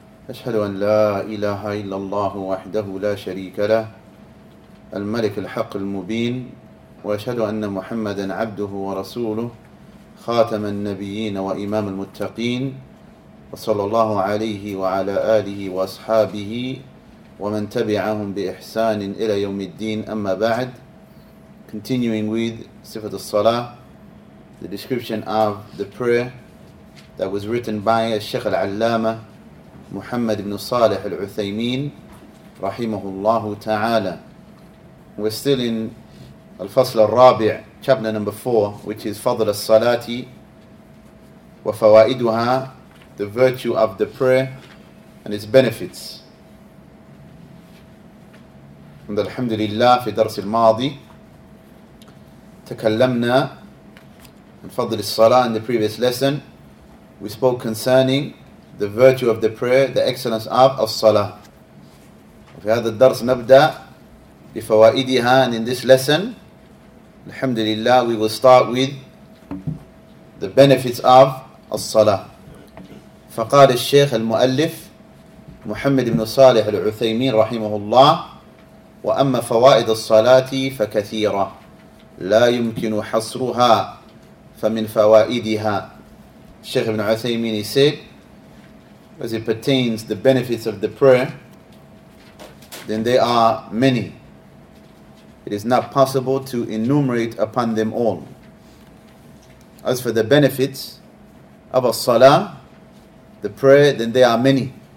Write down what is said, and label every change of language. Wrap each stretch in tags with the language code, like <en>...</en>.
<ar>أشهد أن لا إله إلا الله وحده لا شريك له الملك الحق المبين، وأشهد أن محمدا عبده ورسوله خاتم النبيين وإمام المتقين، وصلى الله عليه وعلى آله وأصحابه ومن تبعهم بإحسان إلى يوم الدين. أما بعد،</ar> <en>continuing with Sifat al-Salah, the description of the prayer that was written by Sheikh al-Allama Muhammad ibn Salih al-Uthaymeen rahimahullahu ta'ala. We're still in al-Fasl al-Rabi', chapter number 4, which is Fadl al-Salati wa fawaiduha, the virtue of the prayer and its benefits.</en> <ar>And alhamdulillah, fi dars al-Madi تكلمنا عن فضل الصلاة.</ar> <en>In the previous lesson, we spoke concerning the virtue of the prayer, the excellence of الصلاة.</en> <ar>في هذا الدرس نبدأ بفوائدها.</ar> <en>And in this lesson, الحمد لله, we will start with the benefits of الصلاة.</en> <ar>فقال الشيخ المؤلف محمد بن صالح العثيمين رحمه الله: وأما فوائد الصلاة فكثيرة لا يمكن حصرها فمن فوائدها.</ar> <en>Sheikh Ibn Uthaymeen, he said, as it pertains the benefits of the prayer, then they are many. It is not possible to enumerate upon them all. As for the benefits of as-salah, the prayer, then they are many.</en>